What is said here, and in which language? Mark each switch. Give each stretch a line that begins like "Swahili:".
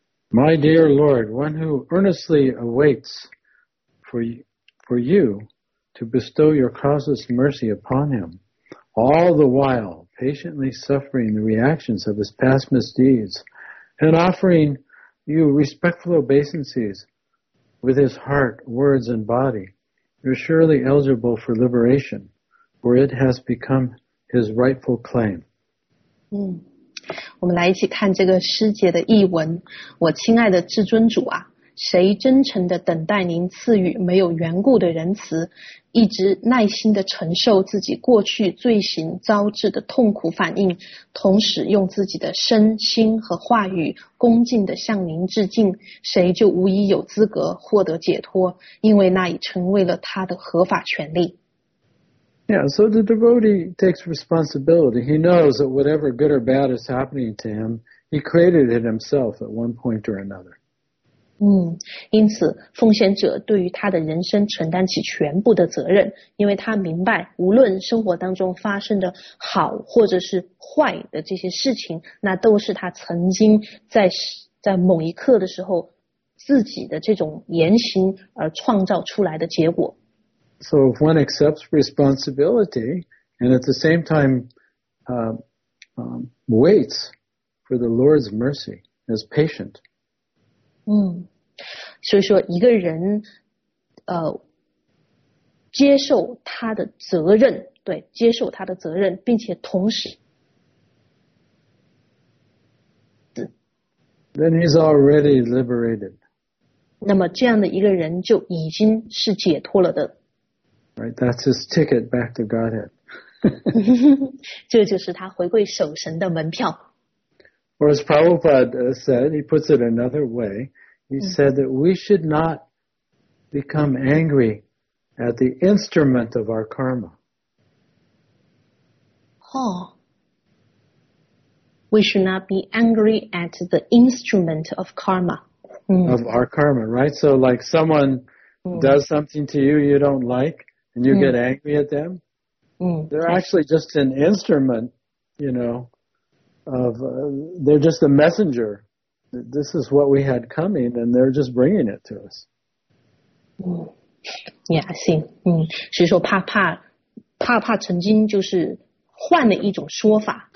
English: My dear Lord, one who earnestly awaits for you to bestow your causeless mercy upon him, all the while patiently suffering the reactions of his past misdeeds and offering you respectful obeisances with his heart, words, and body, you're surely eligible for liberation, for it has become his rightful claim.
Chinese: 我们来一起看这个诗节的译文。我亲爱的至尊主啊，谁真诚地等待您赐予没有缘故的仁慈，一直耐心地承受自己过去罪行遭致的痛苦反应，同时用自己的身心和话语恭敬地向您致敬，谁就无疑有资格获得解脱，因为那已成为了他的合法权利。
English: Yeah, so the devotee takes responsibility. He knows that whatever good or bad is happening to him, he created it himself at one point or another.
Chinese: 因此奉献者对于他的人生承担起全部的责任，因为他明白无论生活当中发生的好或者是坏的这些事情，那都是他曾经在在某一刻的时候自己的这种言行而创造出来的结果。
English: So if one accepts responsibility and at the same time waits for the Lord's mercy as patient.
Chinese: 所以说一个人接受他的责任，对，接受他的责任，并且同时
English: Then he's already liberated.
Chinese: 那么这样的一个人就已经是解脱了的。
English: Right, that's his ticket back to Godhead.
Chinese: 这就是他回归守神的门票。
English: Or as Prabhupada said, he puts it another way, he said that we should not become angry at the instrument of our karma. Oh. We should not be angry at the instrument of karma. Of our karma, right? So like someone does something to you you don't like and you get angry at them. They're actually just an instrument, you know, of, they're just a messenger. This is what we had coming and they're just bringing it to us. Yeah, I see.
Chinese: 所以说怕曾经就是换了一种说法。